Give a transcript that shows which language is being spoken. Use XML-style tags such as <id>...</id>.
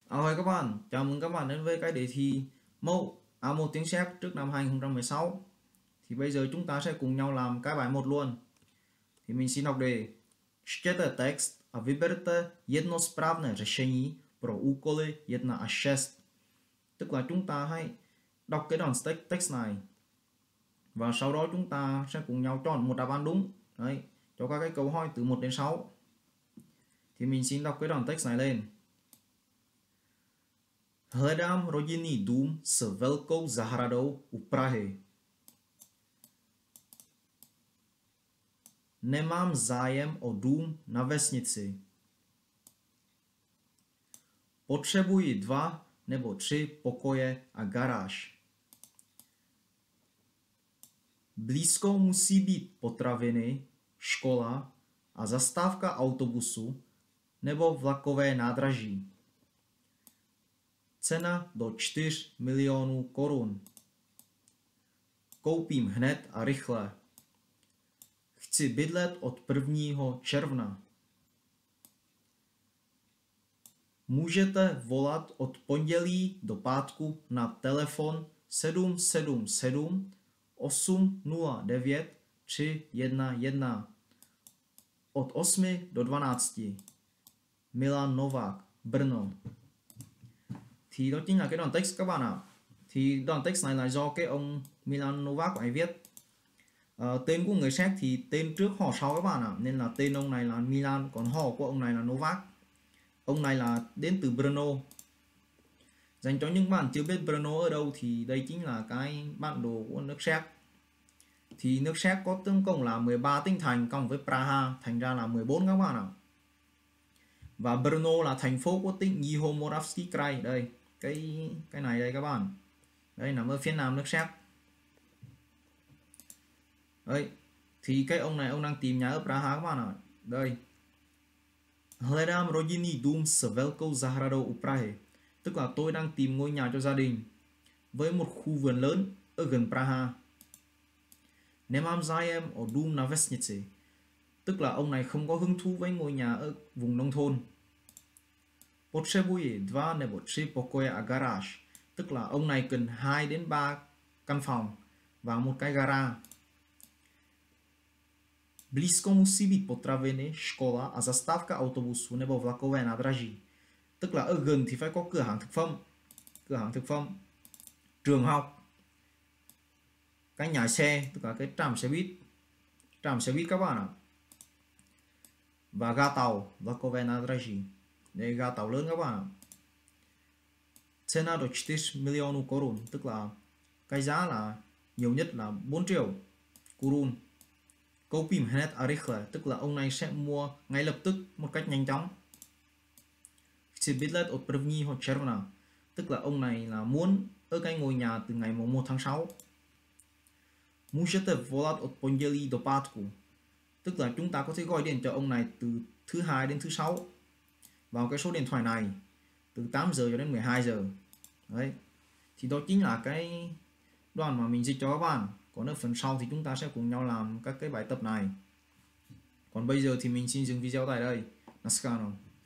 <vi>Ok các bạn, chào mừng các bạn đến với cái đề thi mẫu A1 tiếng Séc trước năm 2016. Thì bây giờ chúng ta sẽ cùng nhau làm cái bài 1 luôn. Thì mình xin đọc đề.</vi> <cs>Čtěte text a vyberte jedno správné řešení pro úkoly 1 až 6.</cs> <vi>Tức là chúng ta hãy đọc cái đoạn text này. Và sau đó chúng ta sẽ cùng nhau chọn một đáp án đúng. Đấy, cho các cái câu hỏi từ 1 đến 6. Thì mình xin đọc cái đoạn text này lên.</vi> <cs>Hledám rodinný dům s velkou zahradou u Prahy. Nemám zájem o dům na vesnici. Potřebuji 2 nebo 3 pokoje a garáž. Blízko musí být potraviny, škola a zastávka autobusu nebo vlakové nádraží. Cena do 4 milionů korun. Koupím hned a rychle. Chci bydlet od 1. června. Můžete volat od pondělí do pátku na telefon 777 809 311 od 8 do 12. Milan Novák, Brno.</cs> <vi>Thì đó chính là cái đoạn text các bạn ạ. Thì đoạn text này là do cái ông Milan Novak ấy viết. Tên của người Séc thì tên trước họ sau các bạn ạ, nên là tên ông này là Milan, còn họ của ông này là Novak. Ông này là đến từ Brno. Dành cho những bạn chưa biết Brno ở đâu thì đây chính là cái bản đồ của nước Séc. Thì nước Séc có tổng cộng là 13 tỉnh thành cộng với Praha, thành ra là 14 các bạn ạ. Và Brno là thành phố của tỉnh Jihomoravský kraj. Đây, cái này đây các bạn. Đây, nằm ở phía nam nước Séc. Đây, thì cái ông này ông đang tìm nhà ở Praha các bạn ạ. Đây.</vi> <cs>Hledám rodinný dům s velkou zahradou u Prahy.</cs> <vi>Tức là tôi đang tìm ngôi nhà cho gia đình với một khu vườn lớn ở gần Praha.</vi> <cs>Nemám zájem o dům na vesnici.</cs> <vi>Tức là ông này không có hứng thú với ngôi nhà ở vùng nông thôn.</vi> <cs>Potřebuji 2 nebo 3 pokoje a garáž.</cs> <vi>Tức là ông này cần 2 đến 3 căn phòng và một cái gara.</vi> <cs>Blízko musí být potraviny, škola a zastávka autobusu nebo vlakové nádraží.</cs> <vi>Tức là ở gần thì phải có cửa hàng thực phẩm, trường học, cái nhà xe, tức là cái trạm xe buýt các bạn ạ. Và ga tàu,</vi> <cs>vlakové nádraží.</cs> <vi>Đây ga tàu lớn các bạn ạ.</vi> <cs>Cena do 4 milionů korun,</cs> <vi>tức là cái giá là nhiều nhất là 4 triệu korun.</vi> <cs>Koupím hned a rychle,</cs> <vi>tức là ông này sẽ mua ngay lập tức một cách nhanh chóng.</vi> <cs>Chci bydlet od 1. června,</cs> <vi>tức là ông này là muốn ở cái ngôi nhà từ ngày 1 tháng 6.</vi> <cs>Můžete volat od pondělí do pátku.</cs> <vi>Tức là chúng ta có thể gọi điện cho ông này từ thứ hai đến thứ sáu vào cái số điện thoại này, từ 8 giờ cho đến 12 giờ. Đấy. Thì đó chính là cái đoạn mà mình dịch cho các bạn. Còn ở phần sau thì chúng ta sẽ cùng nhau làm các cái bài tập này. Còn bây giờ thì mình xin dừng video tại đây. Namaskar.</vi>